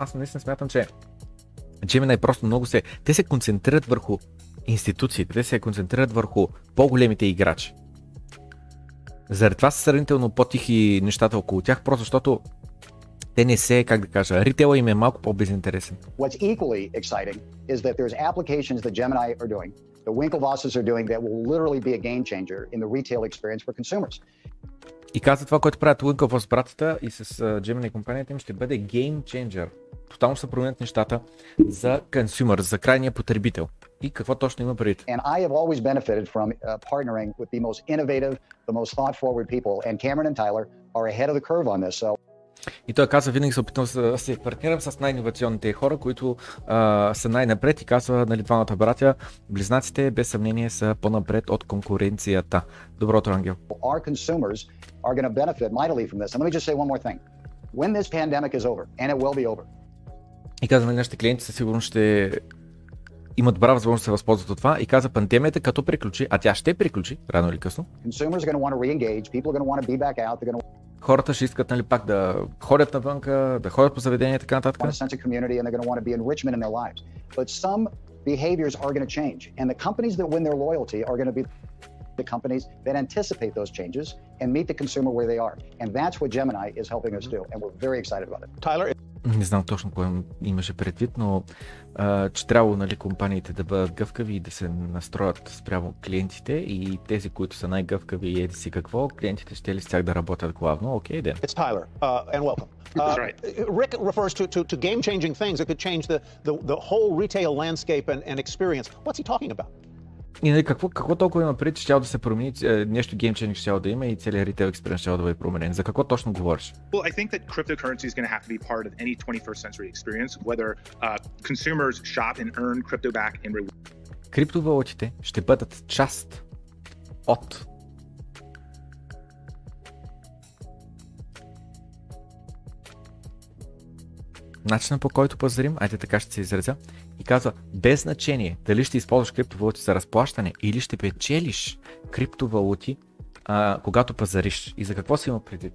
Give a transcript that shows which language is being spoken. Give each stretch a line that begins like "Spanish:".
Bulgarian: Аз наистина смятам, че Gemini просто много се... Те се концентрират върху институциите, те се концентрират върху по-големите играчи. Заради това са сравнително по-тихи нещата около тях, просто защото те не се, как да кажа, ритейла им е малко по-безинтересен.
English: What's equally exciting is that there's applications that Gemini are doing, the Winklevosses are doing, that will literally be a game changer in the retail experience for consumers.
Bulgarian: И каза това, което правят Winklevoss братята и с Gemini компанията им, ще бъде game changer. Тотално се променят нещата за консюмер, за крайния потребител. И какво точно има предвид?
English: And I have always benefited from partnering with the most innovative, the most thought-forward people, and Cameron and Tyler are ahead of the curve on this. So...
Bulgarian: И той казва, винаги се опитвам да се партнирам с най-иновационните хора, които са най-напред, и казва, нали, двамата братя, близнаците без съмнение са по-напред от конкуренцията. Добро утро, Ангел.
English: Our consumers are going to benefit mightily from this. And let me just say one more thing. When this pandemic is over, and it will be over.
Bulgarian: И казва, нали, нашите клиенти със сигурност ще имат добра възможност да се възползват от това, и каза, пандемията като приключи, а тя ще приключи, рано или късно.
English: Consumers are going to want to re-engage, people are going to want to be back out, they're going to...
Bulgarian: Хората ще искат, нали, пак да ходят навънка, да ходят по заведения и така нататък.
English: Want a sense of community, and they're going to want to be enrichment in their lives. But some behaviors are going to change, and the companies that win their loyalty are going to be the companies that anticipate those changes and meet the consumer where they are. And that's what Gemini is helping us do, and we're very excited about it. Tyler,
Bulgarian: не знам точно кое имаше предвид, но че трябва, нали, компаниите да бъдат гъвкави и да се настроят спрямо клиентите, и тези, които са най-гъвкави и еди си какво, клиентите ще ли с тях да работят главно? Окей, Ден.
English: It's Tyler, and welcome. Rick refers to game-changing things that could change the whole retail landscape and experience. What's he talking about?
Bulgarian: И, нали, какво толкова има предвид, че ще да се промени, нещо геймченик ще да има и целият ритейл експеринс ще да бъде променен? За какво точно говориш?
English: Well, I think that cryptocurrency is going to have to be part of any 21st century experience, whether consumers shop and earn crypto back in reward.
Bulgarian: Криптовалутите ще бъдат част от... начинът, по който пазарим, айде така ще се изразя, и казва, без значение дали ще използваш криптовалути за разплащане или ще печелиш криптовалути, когато пазариш. И за какво си има предвид?